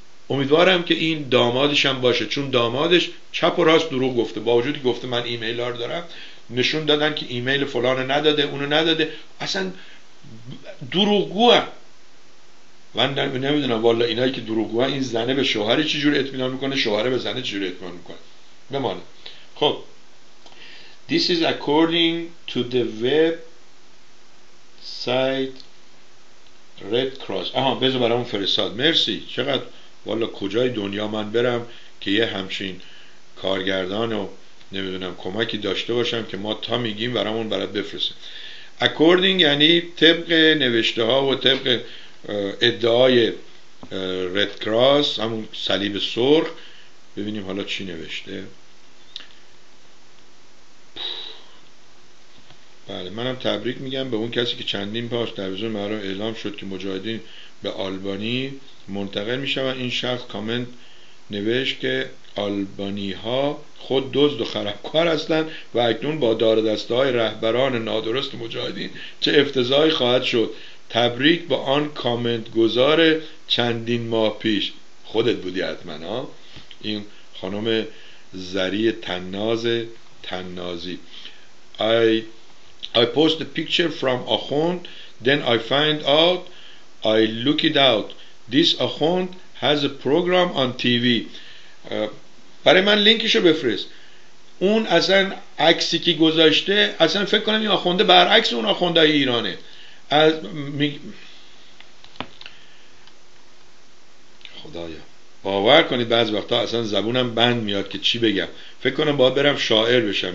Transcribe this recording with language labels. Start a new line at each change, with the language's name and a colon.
Persian: امیدوارم که این دامادش هم باشه، چون دامادش چپ و راست دروغ گفته، با وجودی گفته من ایمیل ها رو دارم، نشون دادن که ایمیل فلان رو نداده، اونو نداده، اصلا دروغگوه. من نمیدونم والا اینایی که دروغگوه، این زنه به شوهره چجور اطمینان میکنه، شوهره به زنه چجور اطمینان میکنه، بمانه.
English: خب This is according to the web site Red Cross.
Persian: آها بذار برامون فرستاد، مرسی. چقدر والا کجای دنیا من برم که یه همچین کارگردان و نمیدونم کمکی داشته باشم که ما تا میگیم برامون برات بفرسته. اکوردینگ یعنی طبق نوشته ها و طبق ادعای رد کراس، همون صلیب سرخ. ببینیم حالا چی نوشته. بله منم تبریک میگم به اون کسی که چندین پاش در ویزون مرام اعلام شد که مجاهدین به آلبانی منتقل میشوند. این شخص کامنت نوشت که آلبانی ها خود دزد و خرابکار هستند و اکنون با دار دسته های رهبران نادرست مجاهدین چه افتضاحی خواهد شد. تبریک به آن کامنت گذار چندین ماه پیش. خودت بودی حتما ها، این خانم زری تناز تنازی.
English: I post a picture from Akhund, then I find out, I look it out, this Akhund has a program on TV.
Persian: برای من لینکشو بفرست. اون اصلا عکسی که گذاشته، اصلا فکر کنم این آخونده برعکس اون آخونده ایرانه. از خدایا باور کنید بعض وقتا اصلا زبونم بند میاد که چی بگم، فکر کنم باید برم شاعر بشم.